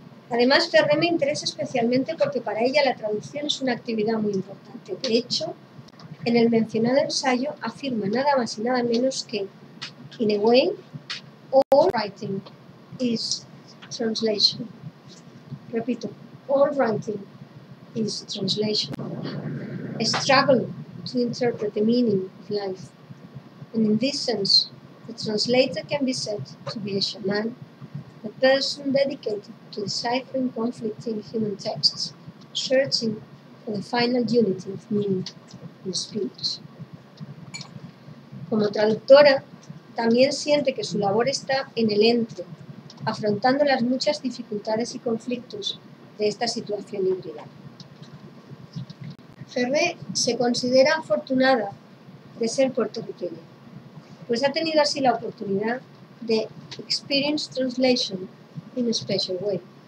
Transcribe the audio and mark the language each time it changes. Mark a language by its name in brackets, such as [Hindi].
[Spanish] Además, Ferré me interesa especialmente porque para ella la traducción es una actividad muy importante. De hecho, en el mencionado ensayo afirma nada más y nada menos que [English] in a way, all writing is translation. Repito, all writing is translation. A struggle to interpret the meaning of life. And in this sense, the translator can be said to be a shaman, a person dedicated to deciphering conflicting human texts, searching for the final unity of meaning in speech. [Spanish] Como traductora, también siente que su labor está en el entre, afrontando las muchas dificultades y conflictos de esta situación híbrida. Ferré se considera afortunada de ser puertorriqueña, pues ha tenido así la oportunidad de [English] experience translation in a special way.